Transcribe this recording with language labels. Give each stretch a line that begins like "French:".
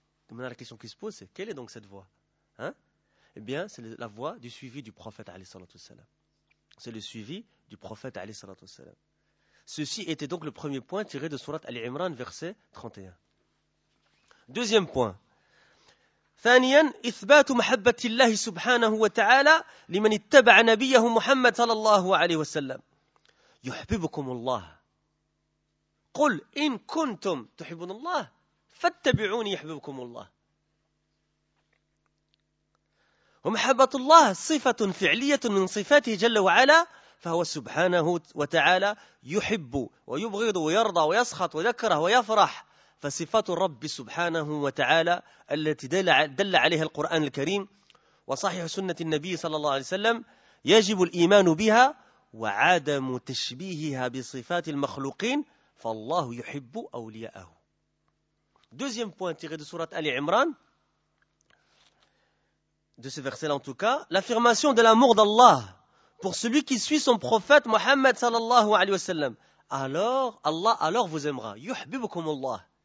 French: Maintenant, la question qui se pose, c'est quelle est donc cette voix? Eh bien, c'est la voix du suivi du prophète,
Arabic: alayhi salatu wassalam.
French: C'est le suivi du prophète,
Arabic: alayhi salatu wassalam.
French: Ceci était donc le premier point tiré de sourate Al-Imran, verset 31. Deuxième point.
Arabic: ثانيا إثبات محبة الله سبحانه وتعالى لمن اتبع نبيه محمد صلى الله عليه وسلم. يحببكم الله قل إن كنتم تحبون الله فاتبعوني يحببكم الله ومحبة الله صفة فعلية من صفاته جل وعلا فهو سبحانه وتعالى يحب ويبغض ويرضى ويسخط ويكره ويفرح فصفات الرب سبحانه وتعالى التي دل عليها القرآن الكريم وصحيح سنة النبي صلى الله عليه وسلم يجب الإيمان بها وعدم تشبيهها بصفات المخلوقين فالله يحب أولياءه.
French: Deuxième point tiré de sourate Ali Imran, de ce verset en tout cas, l'affirmation de l'amour d'Allah pour celui qui suit son prophète Mohammed
Arabic: sallallahu alayhi wa sallam.
French: Alors, Allah alors vous aimera.
Arabic: يحببكم الله.